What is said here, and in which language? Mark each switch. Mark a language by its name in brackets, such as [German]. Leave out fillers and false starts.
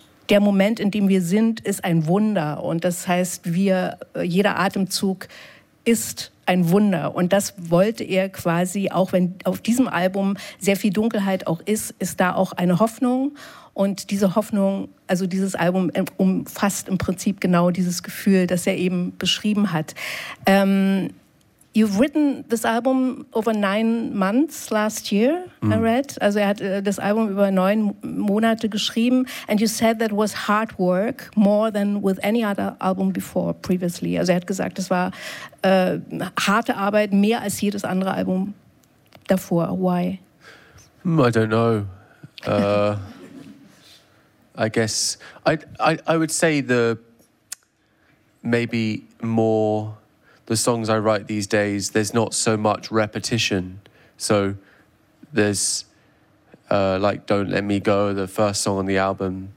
[German] der Moment, in dem wir sind, ist ein Wunder. Und das heißt, wir, jeder Atemzug ist ein Wunder. Und das wollte er quasi, auch wenn auf diesem Album sehr viel Dunkelheit auch ist, ist da auch eine Hoffnung. Und diese Hoffnung, also dieses Album umfasst im Prinzip genau dieses Gefühl, das er eben beschrieben hat. [English] You've written this album over 9 months last year, I read. [German] Also er hat das Album über 9 Monate geschrieben. [English] And you said that was hard work, more than with any other album before, previously. [German] Also er hat gesagt, es war harte Arbeit, mehr als jedes andere Album davor. [English] Why? I don't know. I guess I would say the maybe more the songs I write these days, there's not so much repetition. So there's like Don't Let Me Go, the first song on the album.